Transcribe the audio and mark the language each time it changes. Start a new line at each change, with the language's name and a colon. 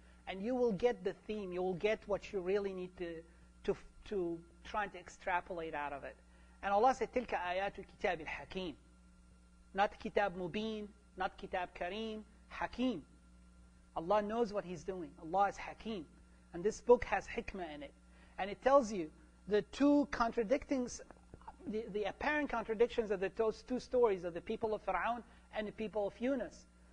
English: And you will get the theme, you will get what you really need to try to extrapolate out of it. And Allah said,
Arabic: تِلْكَ آيَاتُ الْكِتَابِ الْحَكِيمِ.
English: Not kitab mubin, not kitab kareem, hakeem. Allah knows what He's doing. Allah is hakeem. And this book has hikmah in it. And it tells you the two contradicting, the apparent contradictions of those two stories of the people of Fir'aun and the people of Yunus.